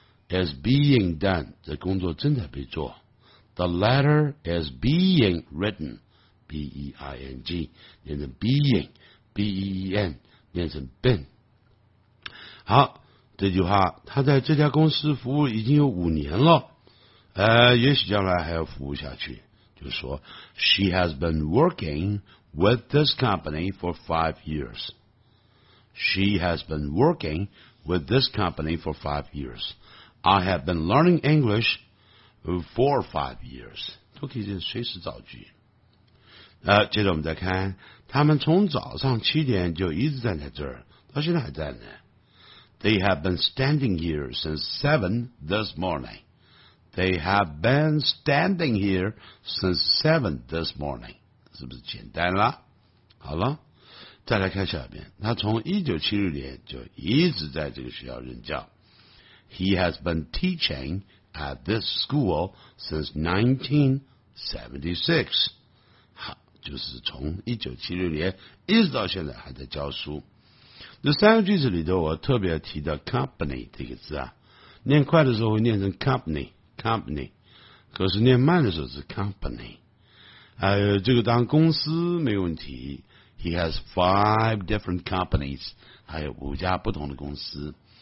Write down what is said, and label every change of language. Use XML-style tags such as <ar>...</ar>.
<en>Is being done.</en> <zh>这工作正在被做。</zh> <en>The letter is being written. B-E-I-N-G. 念成 being. B-E-E-N. 念成 been.</en> <zh>好，这句话，他在这家公司服务已经有五年了。也许将来还要服务下去。</zh> <en>就说 She has been working with this company for 5 years. She has been working with this company for 5 years. I have been learning English for 5 years.</en> <zh>都可以是随时造句。接着我们再看，他们从早上七点就一直站在这儿，到现在还在呢。</zh> <en>They have been standing here since 7 this morning. They have been standing here since 7 this morning.</en> <zh>是不是简单了？好了，再来看下边，他从1976年就一直在这个学校任教。</zh> <en>He has been teaching at this school since 1976.</en> <zh>好，就是从1976年一直到现在还在教书。这三个句子里头我特别提到 company 这个字啊，念快的时候会念成 company, company, 可是念慢的时候是 company。这个当公司没问题。</zh> <en>He has 5 different companies,</en> <zh>还有五家不同的公司。</zh>